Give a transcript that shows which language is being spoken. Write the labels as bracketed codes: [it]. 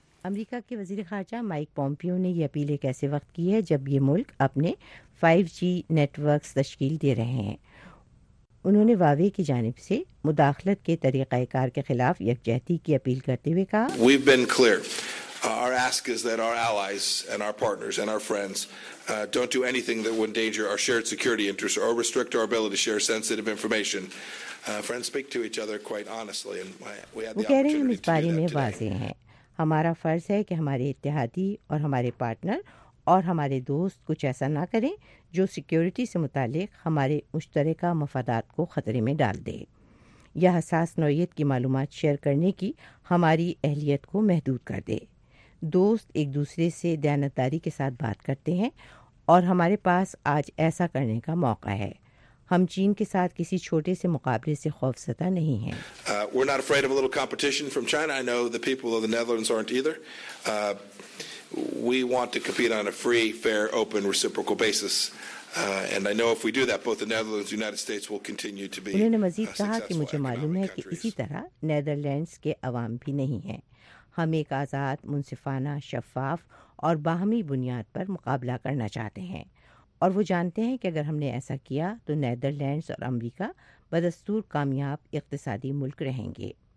[ur] امریکہ کے وزیر خارجہ مائک پومپیو نے یہ اپیل ایک ایسے وقت کی ہے جب یہ ملک اپنے 5G نیٹ ورکس تشکیل دے رہے ہیں. انہوں نے واوے کی جانب سے مداخلت کے طریقہ کار کے خلاف یکجہتی کی اپیل کرتے ہوئے کہا, [en] We've been clear. Our ask is that our allies and our partners and our friends don't do anything that would endanger our shared security interests or restrict our ability to share sensitive information. Friends speak to each other quite honestly and we had the opportunity to do that today. [ur] میں واضح ہیں, ہمارا فرض ہے کہ ہمارے اتحادی اور ہمارے پارٹنر اور ہمارے دوست کچھ ایسا نہ کریں جو سیکیورٹی سے متعلق ہمارے مشترکہ مفادات کو خطرے میں ڈال دے یا حساس نوعیت کی معلومات شیئر کرنے کی ہماری اہلیت کو محدود کر دے. دوست ایک دوسرے سے دیانتداری کے ساتھ بات کرتے ہیں اور ہمارے پاس آج ایسا کرنے کا موقع ہے. ہم چین کے ساتھ کسی چھوٹے سے مقابلے سے خوف زدہ نہیں ہیں. [en] We're not afraid of a little competition from China. I know the people of the Netherlands aren't either. We want to compete on a free, fair, open, reciprocal basis. And I know if we do that, both the Netherlands and the United States will continue to be [ur] انہوں نے مزید کہا کہ مجھے معلوم ہے کہ اسی طرح نیدرلینڈز کے عوام بھی نہیں ہیں. ہم ایک آزاد، منصفانہ، شفاف اور باہمی بنیاد پر مقابلہ کرنا چاہتے ہیں اور وہ جانتے ہیں کہ اگر ہم نے ایسا کیا تو نیدرلینڈز اور امریکہ بدستور کامیاب اقتصادی ملک رہیں گے.